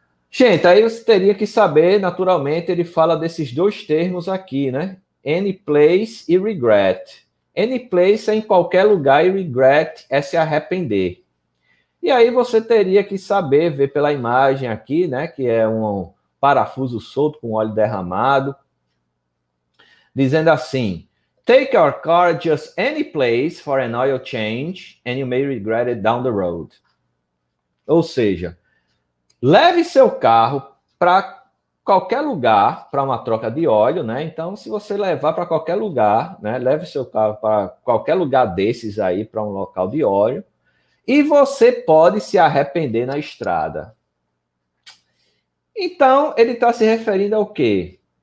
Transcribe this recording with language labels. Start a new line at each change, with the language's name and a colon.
Portuguese: Gente, aí você teria que saber, naturalmente, ele fala desses dois termos aqui, né? Any place e regret. Any place é em qualquer lugar e regret é se arrepender. E aí você teria que saber, ver pela imagem aqui, né? Que é um parafuso solto com óleo derramado. Dizendo assim,
English: take your car just any place for an oil change and you may regret it down the road.
Portuguese: Ou seja, leve seu carro para qualquer lugar para uma troca de óleo, né? Então, se você levar para qualquer lugar, né? Leve seu carro para qualquer lugar desses aí para um local de óleo. E você pode se arrepender na estrada. Então, ele está se referindo ao quê?